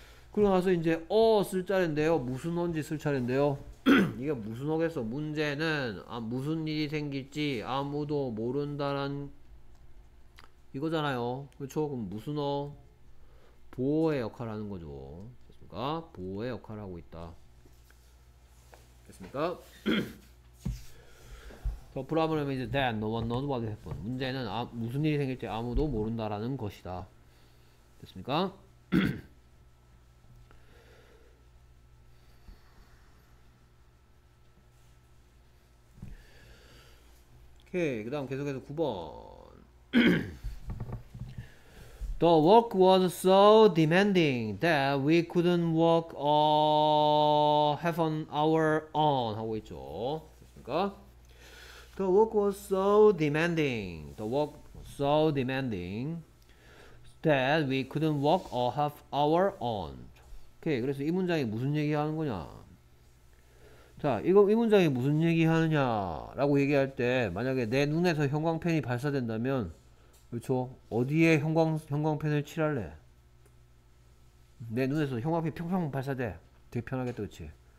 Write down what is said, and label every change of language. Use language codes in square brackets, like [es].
[ko] 그러고 나서 이제 쓸 차례인데요. 무슨 언지 쓸 차례인데요. 이게 무슨 어겠어? 문제는 무슨 일이 생길지 아무도 모른다란 이거잖아요. 그렇죠? 그럼 무슨 어? 보어의 역할을 하는 거죠. 됐습니까? 보어의 역할을 하고 있다. 됐습니까? [en] The problem is that no one knows what will happen. [ko] 문제는 무슨 일이 생길지 아무도 모른다라는 것이다. 됐습니까? 오케이. 그 다음 계속해서 9번. [en] The work was so demanding that we couldn't work half an hour on [ko] 하고 있죠. [en] 그러니까 The work was so demanding. The work was so demanding that we couldn't work a half hour on. [ko] 오케이. 그래서 이 문장이 무슨 얘기하는 거냐? 자, 이거 이 문장이 무슨 얘기하느냐라고 얘기할 때 만약에 내 눈에서 형광펜이 발사된다면 그렇죠? 어디에 형광펜을 칠할래? 내 눈에서 형광펜이 평평 발사돼. 되게 편하겠다, 그렇지?